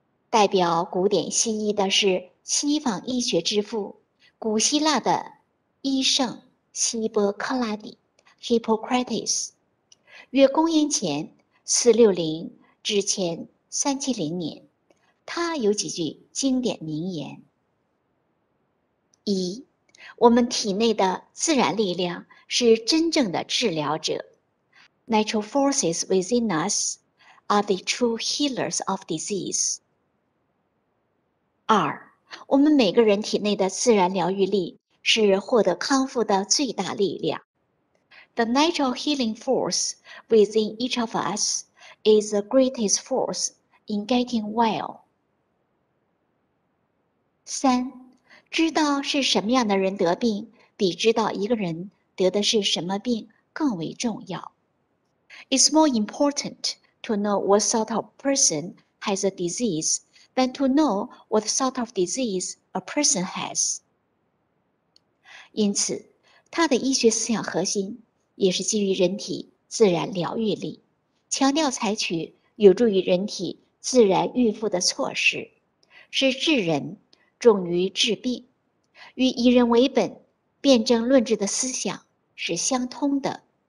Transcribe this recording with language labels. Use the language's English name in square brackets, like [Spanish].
[Chinese] 代表古典西医的是西方医学之父，古希腊的医圣希波克拉底 Hippocrates， 约公元前460至前370年，他有几句经典名言。一，我们体内的自然力量是真正的治疗者。 [English] Natural forces within us are the true healers of disease。 [Chinese] 二，我们每个人体内的自然疗愈力是获得康复的最大力量。 [English] The natural healing force within each of us is the greatest force in getting well。 [Chinese] 三，知道是什么样的人得病，比知道一个人得的是什么病更为重要。 [English] It's more important to know what sort of person has a disease than to know what sort of disease a person has。 [Chinese] 因此，他的医学思想核心也是基于人体自然疗愈力，强调采取有助于人体自然愈复的措施，使治人重于治病，与以人为本、辨证论治的思想是相通的。